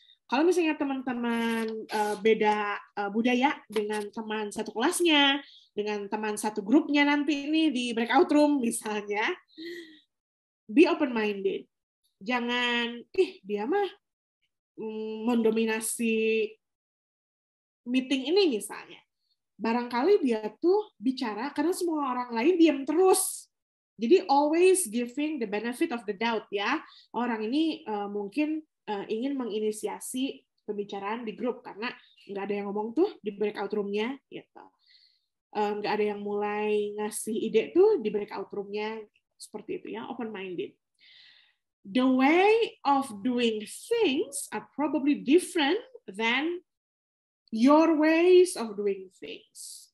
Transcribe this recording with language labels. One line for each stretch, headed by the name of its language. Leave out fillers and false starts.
Indonesian: Kalau misalnya teman-teman beda budaya dengan teman satu kelasnya, dengan teman satu grupnya nanti ini di breakout room misalnya,
English: be open-minded.
Indonesian: Jangan, dia mah mendominasi meeting ini misalnya. Barangkali dia tuh bicara karena semua orang lain diam terus. Jadi
English: always giving the benefit of the doubt ya.
Indonesian: Orang ini mungkin ingin menginisiasi pembicaraan di grup karena nggak ada yang ngomong tuh di breakout roomnya gitu, nggak ada yang mulai ngasih ide tuh di breakout roomnya seperti itu ya, open minded.
English: The way of doing things are probably different than your ways of doing things.